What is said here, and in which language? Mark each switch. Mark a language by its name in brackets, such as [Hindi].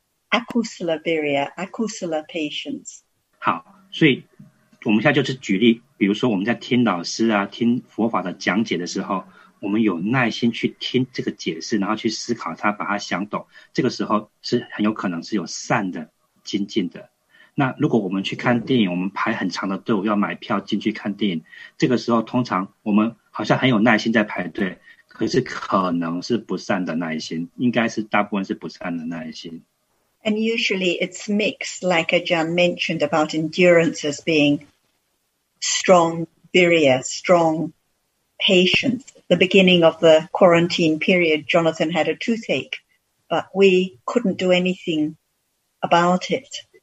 [English] Akusala virya, akusala patience. [Chinese] 好，所以我们现在就是举例，比如说我们在听老师啊，听佛法的讲解的时候，我们有耐心去听这个解释，然后去思考它，把它想懂，这个时候是很有可能是有善的精进的。那如果我们去看电影我们排很长的队伍要买票进去看电影这个时候通常我们好像很有耐心在排队可是可能是不善的耐心，应该是大部分是不善的耐心。 [English] And usually it's mixed, like Ajahn mentioned about endurance as being strong virya, strong patience. The beginning of the quarantine period, Jonathan had a toothache, but we couldn't do anything about it.